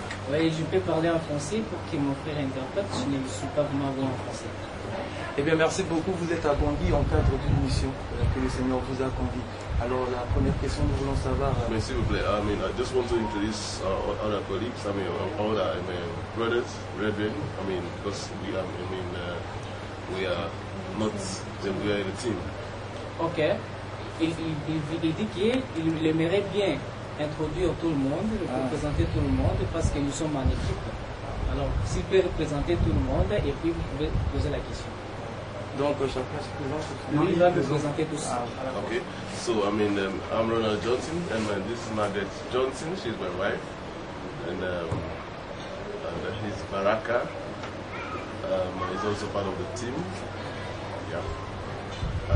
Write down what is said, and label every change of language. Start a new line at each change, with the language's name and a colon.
French: Oui, je peux parler en français pour que mon frère interprète, je ne suis pas vraiment bon en français. Eh bien, merci beaucoup. Vous êtes à Bangui en cadre d'une mission que le Seigneur vous a conduit. Alors, la première question, nous voulons savoir. Mais s'il vous plaît,
English: I mean, I just want to introduce our colleagues, I mean, all our brothers, brethren, I mean, because we are, I mean, we are not, we are in a team. Ok.
French: Il dit qu'il aimerait bien introduire tout le monde, représenter tout le monde, parce que nous sommes en équipe. Alors, s'il peut représenter tout le monde, et puis vous pouvez poser la question. Donc, chacun se présente. Non, il va vous présenter tout seul. Ok.
English: So, I mean, I'm Ronald Johnson, and my, this is Margaret Johnson, she's my wife. And he's Baraka. He's also part of the team. Yeah.